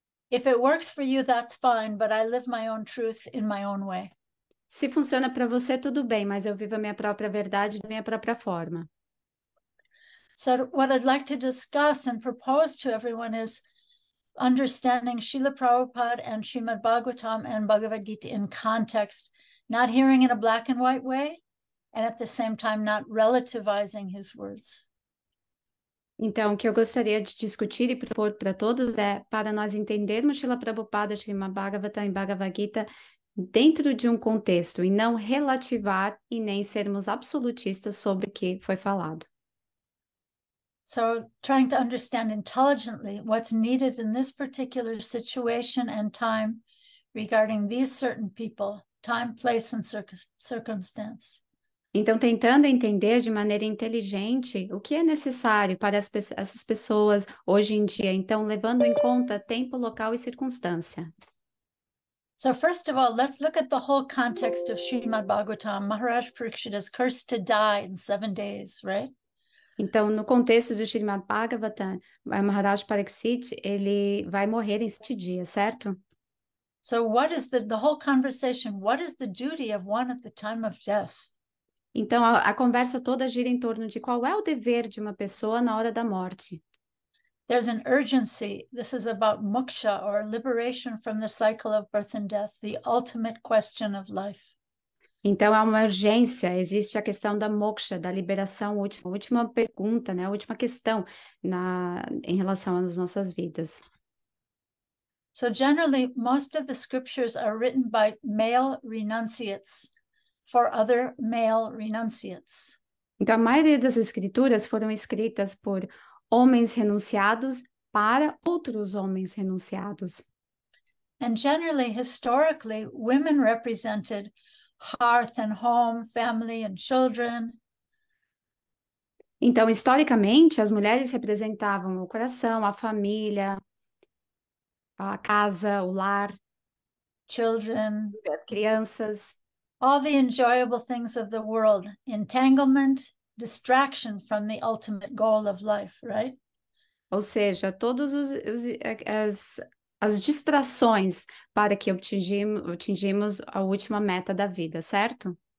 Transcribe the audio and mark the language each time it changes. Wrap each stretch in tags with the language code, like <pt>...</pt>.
<en>If it works for you, that's fine, but I live my own truth in my own way.</en> <pt>Se funciona para você, tudo bem, mas eu vivo a minha própria verdade da minha própria forma.</pt> <en>So what I'd like to discuss and propose to everyone is understanding Srila Prabhupada and Srimad Bhagavatam and Bhagavad Gita in context, not hearing in a black and white way, and at the same time not relativizing his words.</en> <pt>Então, o que eu gostaria de discutir e propor para todos é para nós entendermos Srila Prabhupada, Srimad Bhagavatam e Bhagavad Gita dentro de um contexto e não relativar e nem sermos absolutistas sobre o que foi falado.</pt> <en>So, trying to understand intelligently what's needed in this particular situation and time regarding these certain people, time, place, and circumstance.</en> <pt>Então, tentando entender de maneira inteligente o que é necessário para essas pessoas hoje em dia, então, levando em conta tempo, local e circunstância.</pt> <en>So, first of all, let's look at the whole context of Srimad Bhagavatam. Maharaj Pariksit is cursed to die in 7 days, right?</en> <pt>Então, no contexto de Srimad Bhagavatam, Maharaj Pariksit, ele vai morrer em 7 dias, certo?</pt> <en>So, what is the whole conversation? What is the duty of one at the time of death?</en> <pt>Então, a conversa toda gira em torno de qual é o dever de uma pessoa na hora da morte.</pt> <en>There's an urgency. This is about moksha, or liberation from the cycle of birth and death, the ultimate question of life.</en> <pt>Então, há uma urgência, existe a questão da moksha, da liberação, última pergunta, né? A última questão em relação às nossas vidas.</pt> <en>So, generally, most of the scriptures are written by male renunciates, for other male renunciates.</en> <pt>Então, a maioria das escrituras foram escritas por homens renunciados para outros homens renunciados.</pt> <en>And generally, historically, women represented hearth and home, family and children.</en> <pt>Então, historicamente, as mulheres representavam o coração, a família, a casa, o lar,</pt> <en>children,</en> <pt>crianças.</pt> <en>All the enjoyable things of the world, entanglement, distraction from the ultimate goal of life, right?</en> <pt>Ou seja, todos as distrações para que atingimos a última meta da vida, certo?</pt>